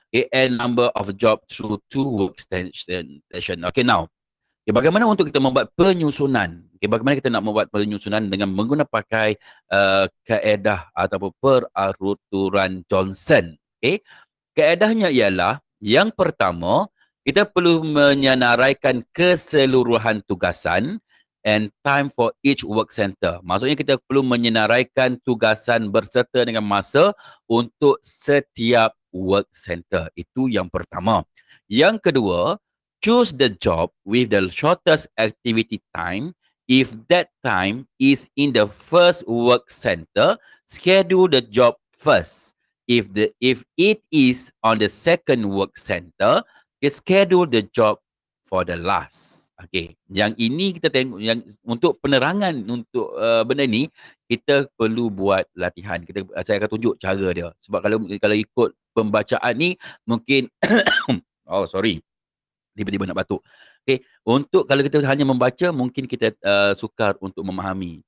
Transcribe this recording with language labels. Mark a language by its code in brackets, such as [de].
[en] Okay, and number of job through two workstation. [ms] Okay, now, okay, bagaimana untuk kita membuat penyusunan? Okay, bagaimana kita nak membuat penyusunan dengan menggunakan kaedah ataupun peraturan Johnson? Okay, kaedahnya ialah yang pertama, kita perlu menyenaraikan keseluruhan tugasan [en] and time for each work center. [ms] Maksudnya kita perlu menyenaraikan tugasan berserta dengan masa untuk setiap work center. Itu yang pertama. Yang kedua, [en] choose the job with the shortest activity time. If that time is in the first work center, schedule the job first. If it is on the second work center, okay, schedule the job for the last. [ms] Okay, yang ini kita tengok, yang untuk penerangan untuk benda ni kita perlu buat latihan. Saya akan tunjuk cara dia. Sebab kalau ikut pembacaan ni mungkin oh sorry, tiba-tiba nak batuk. Okay, untuk kalau kita hanya membaca mungkin kita sukar untuk memahami.